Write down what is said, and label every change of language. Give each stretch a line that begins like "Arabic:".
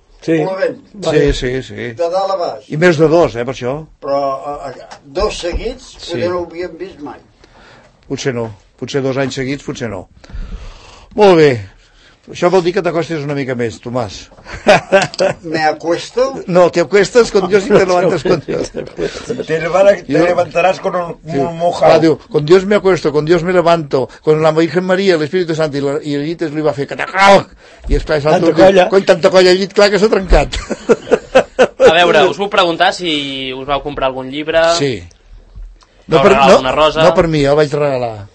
Catalan: Sí. Sí. De dalt a baix. I més de 2, per això. Però 2 seguits, sí. Potser no ho havíem vist mai. Potser no. Potser 2 anys seguits, potser no. Molt bé. Això vol dir que t'acostes una mica més, Tomàs.
Spanish: Me acuesto? No, te acuestes con Dios y te levantas con Dios. Te levantarás con un sí. Mojado.
Catalan: Va, diu,
Spanish: con Dios me acuesto, con Dios me levanto, con la Virgen María, el Espíritu Santo, y
Catalan: el llit es li va fer catacau. I esclar, és altre dia, cony, tanta colla al llit, clar que s'ha trencat. A veure, us vull preguntar si us vau comprar algun llibre. Sí. No, per, no, una rosa. No per mi, el vaig regalar.